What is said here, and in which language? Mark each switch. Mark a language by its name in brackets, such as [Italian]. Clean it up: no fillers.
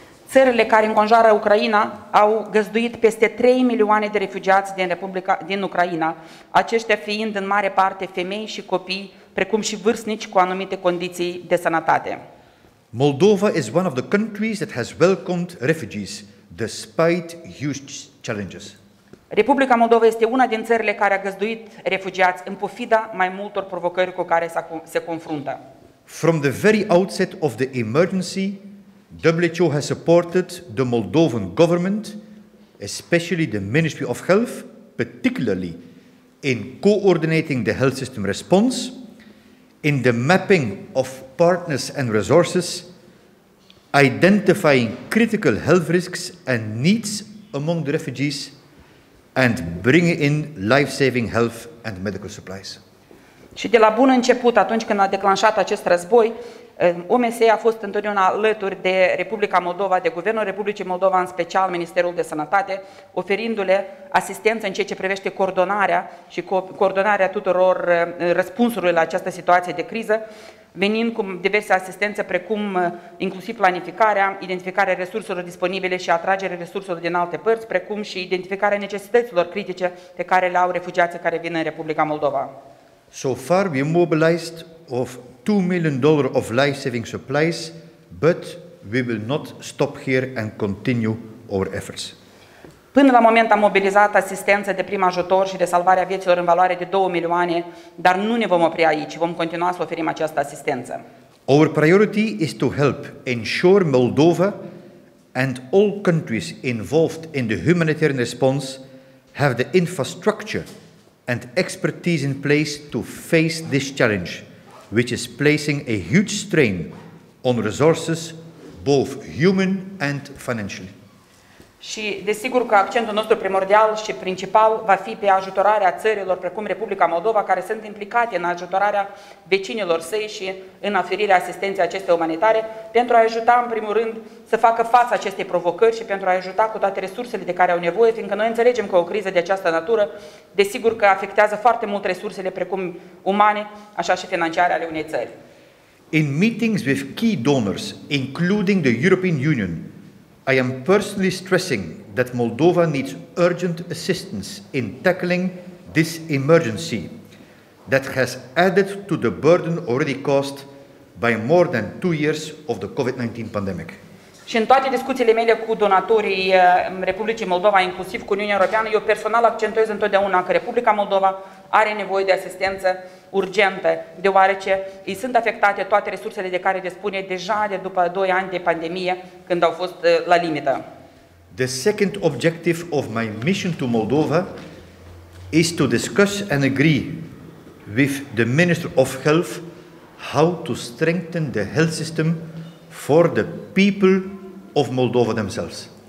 [Romanian] Țările care înconjoară Ucraina au găzduit peste 3 milioane de refugiați din Republica din Ucraina, aceștia fiind în mare parte femei și copii, precum și vârstnici cu anumite condiții de sănătate. [English] Moldova is one of the countries that has welcomed refugees despite huge challenges. [Romanian] Republica Moldova este una din țările care a găzduit refugiați în pofida mai multor provocări cu care se confruntă. [English] From the very outset of the emergency, WHO has supported the Moldovan government, especially the Ministry of Health, particularly in coordinating the health system response, in the mapping of partners and resources, identifying critical health risks and needs among the refugees, and bring in life-saving health and medical supplies. [Romanian] Și de la bun început, atunci când a declanșat acest război, OMS a fost întotdeauna alături de Republica Moldova, de Guvernul Republicii Moldova, în special Ministerul de Sănătate, oferindu-le asistență în ceea ce privește coordonarea și coordonarea tuturor răspunsurilor la această situație de criză, venind cu diverse asistențe, precum inclusiv planificarea, identificarea resurselor disponibile și atragerea resurselor din alte părți, precum și identificarea necesităților critice pe care le au refugiații care vin în Republica Moldova. [English] So far, we mobilized of $2 million of life-saving supplies, but we will not stop here and continue our efforts. [Romanian] Până la moment am mobilizat asistență de prim ajutor și de salvarea vieților în valoare de 2 milioane, dar nu ne vom opri aici, vom continua să oferim această asistență. [English] Our priority is to help ensure Moldova and all countries involved in the humanitarian response have the infrastructure and expertise in place to face this challenge, which is placing a huge strain on resources, both human and financial. [Romanian] Și desigur că accentul nostru primordial și principal va fi pe ajutorarea țărilor precum Republica Moldova, care sunt implicate în ajutorarea vecinilor săi și în oferirea asistenței acestei umanitare, pentru a ajuta în primul rând să facă față acestei provocări și pentru a ajuta cu toate resursele de care au nevoie, fiindcă noi înțelegem că o criză de această natură desigur că afectează foarte mult resursele precum umane, așa și financiare ale unei țări. [English] In meetings with key donors, including the European Union, I am personally stressing that Moldova needs urgent assistance in tackling this emergency that has added to the burden already caused by more than 2 years of the COVID-19 pandemic. [Romanian] Și în toate discuțiile mele cu donatorii Republicii Moldova, inclusiv cu Uniunea Europeană, eu personal accentuez întotdeauna că Republica Moldova are nevoie de asistență urgentă, deoarece îi sunt afectate toate resursele de care dispune deja de după 2 ani de pandemie, când au fost la limită. [English] The second objective of my mission to Moldova is to discuss and agree with the Minister of Health how to strengthen the health system for the people of Moldova themselves.